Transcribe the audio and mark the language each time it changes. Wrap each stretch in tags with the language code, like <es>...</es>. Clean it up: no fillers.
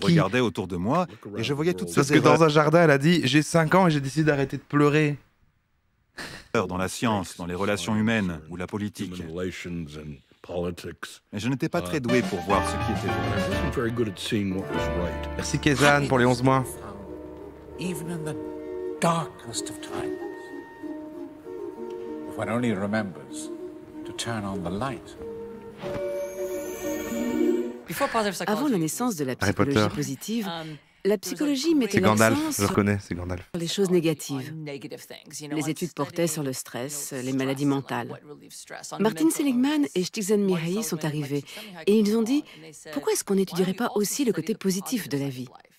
<fr>Je regardais autour de moi et je voyais toutes ces erreurs. Parce que dans un jardin, elle a dit « J'ai 5 ans et j'ai décidé d'arrêter de pleurer. » Dans la science, dans les relations humaines ou la politique. Mais je n'étais pas très doué pour voir ce qui était vrai. Merci Kezan pour les 11 mois.</fr> <en>Even in the darkest of times, if one only remembers to turn on the light.</en> <fr>Avant la naissance de la psychologie positive, la psychologie mettait l'accent sur, je reconnais, c'est Gandalf. Les choses négatives. Les études portaient sur le stress, les maladies mentales. Martin Seligman et Stigzen Mihai sont arrivés et ils ont dit « Pourquoi est-ce qu'on n'étudierait pas aussi le côté positif de la vie ?»</fr>